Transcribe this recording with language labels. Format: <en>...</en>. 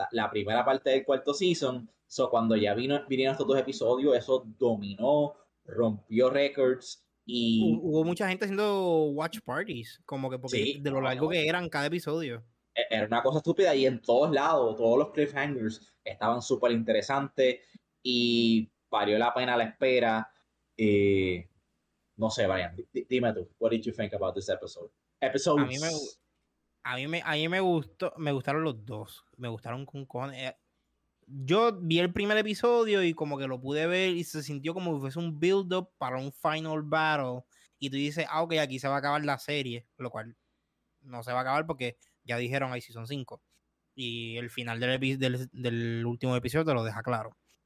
<es>La primera parte del cuarto season. So, cuando ya vinieron estos dos episodios, eso dominó, rompió records y hubo mucha gente haciendo watch parties, como que porque sí, de lo largo que eran cada episodio. Era una cosa estúpida y en todos lados, todos los cliffhangers estaban súper interesantes y valió la pena la espera. No sé, Brian, dime tú,</es> <en>what did you think about this episode? Episodes.</en> <es>A mí me gustó, me gustaron los dos. Me gustaron con cojones. Yo vi el primer episodio y como que lo pude ver y se sintió como que fuese un build-up para un final battle. Y tú dices, ah, ok, aquí se va a acabar la serie. Lo cual no se va a acabar porque ya dijeron, hay season 5. Y el final del último episodio te lo deja claro.</es>